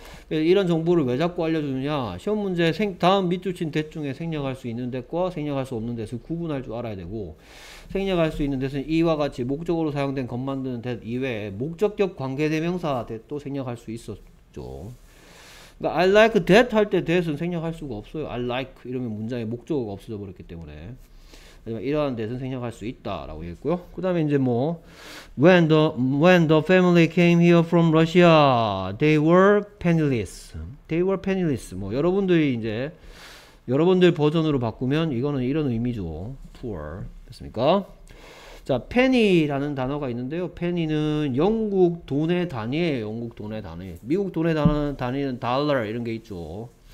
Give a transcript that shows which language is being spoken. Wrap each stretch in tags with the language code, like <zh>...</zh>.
<ko>이런 정보를 왜 자꾸 알려주느냐? 시험 문제 다음 밑줄 친 대 중에 생략할 수 있는 데과 생략할 수 없는 데를 구분할 줄 알아야 되고 생략할 수 있는 데는 이와 같이 목적으로 사용된 것 만드는 데 이외에 목적격 관계대명사 데도 생략할 수 있었죠. 그러니까</ko> <en>I like that</en> <ko>할 때 that은 생략할 수가 없어요.</ko> <en>I like</en> <ko>이러면 문장에 목적어가 없어져 버렸기 때문에. 이러한 데는 생략할 수 있다라고 했고요. 그 다음에 이제 뭐</ko> <en>when the family came here from Russia, they were penniless. They were penniless.</en> <ko>뭐 여러분들이 이제 여러분들 버전으로 바꾸면 이거는 이런 의미죠. Poor 됐습니까? 자, penny라는 단어가 있는데요. penny는 영국 돈의 단위예요. 영국 돈의 단위. 미국 돈의 단위는 dollar 이런 게 있죠.</ko>